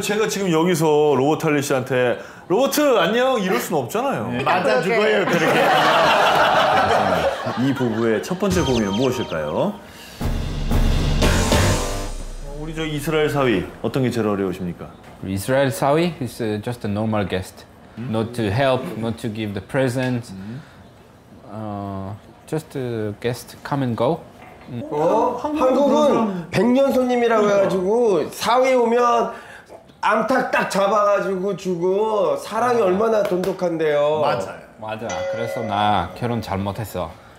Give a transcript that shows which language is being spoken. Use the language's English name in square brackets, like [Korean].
[Korean] 제가 지금 여기서 로버트 할리 씨한테 로버트 안녕 이럴 순 없잖아요. 네, 맞아 죽어요 그렇게. 이 부부의 첫 번째 고민은 무엇일까요? 우리 저 이스라엘 사위 어떤 게 제일 어려우십니까? [English] Israel Sawi is just a normal guest. Not to help, not to give the presents. Just a guest come and go. [Korean] 한국은 100년 손님이라고 해가지고 사위 오면 암탉 딱 잡아가지고 주고 사랑이 얼마나 돈독한데요. 맞아요. 맞아. 그래서 나 결혼 잘못했어.